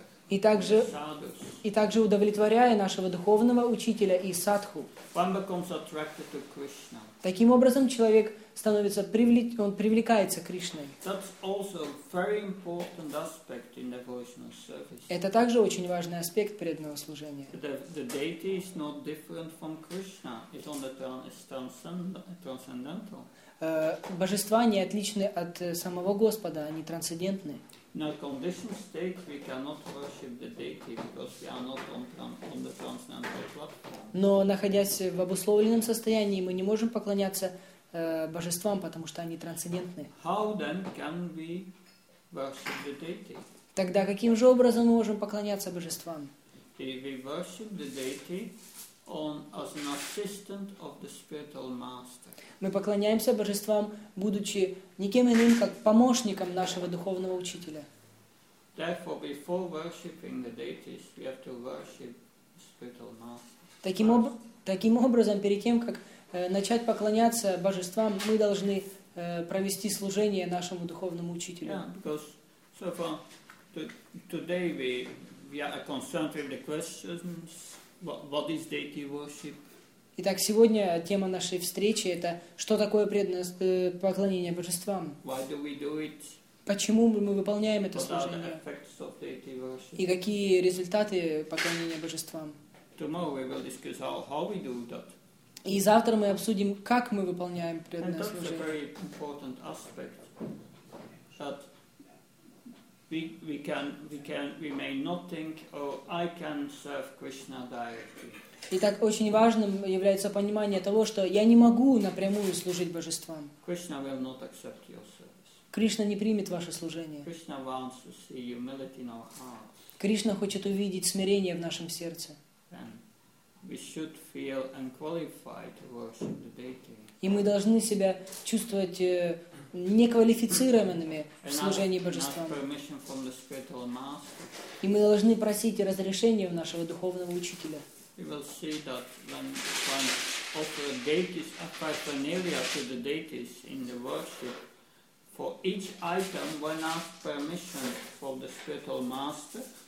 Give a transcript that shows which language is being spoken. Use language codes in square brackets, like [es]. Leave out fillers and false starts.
[ru] И также удовлетворяя нашего духовного учителя и садху. [en] One becomes attracted to Krishna. [ru] Таким образом, человек становится он привлекается к Кришне. [en] That's also a very important aspect in devotional service. [ru] Это также очень важный аспект преданного служения. [en] The deity is not different from Krishna. It's on the transcendental. [ru] Божества не отличны от самого Господа, они трансцендентны. [en] In a conditioned state, we cannot worship the deity because we are not on the transcendental platform. [ru] Но находясь в обусловленном состоянии, мы не можем поклоняться божествам, потому что они трансцендентны. [en] How then can we worship the deity? [ru] Тогда каким же образом мы можем поклоняться божествам? [en] We worship the deity as an assistant of the spiritual master. [ru] Мы поклоняемся божествам, будучи никем иным, как помощником нашего духовного учителя. [en] Therefore, before worshiping the deities, we have to worship the spiritual master. [ru] Таким образом, перед тем, как начать поклоняться божествам, мы должны провести служение нашему духовному учителю. [en] Yeah, because so far today we are concerned with the questions: what is deity worship? [ru] Итак, сегодня тема нашей встречи — это что такое поклонение божествам? [en] Why do we do it? [ru] Почему мы выполняем это служение? [en] What are the effects of deity worship? [ru] И какие результаты поклонения божествам? [en] Tomorrow we will discuss how we do that. [ru] И завтра мы обсудим, как мы выполняем преданное служение. [en] And that's a very important aspect that we may not think, oh, I can serve Krishna directly. [ru] Итак, очень важным является понимание того, что я не могу напрямую служить божествам. [en] Krishna will not accept your service. [ru] Кришна не примет ваше служение. [en] Krishna wants to see humility in our hearts. [ru] Кришна хочет увидеть смирение в нашем сердце. [en] We should feel unqualified to worship the deity. [ru] И мы должны себя чувствовать неквалифицированными в служении божествам. [en] Permission from the spiritual master. [ru] И мы должны просить разрешения у нашего духовного учителя. [en] We will see that when one offers deities, a paraphernalia to the deities in the worship, for each item one asks permission from the spiritual master.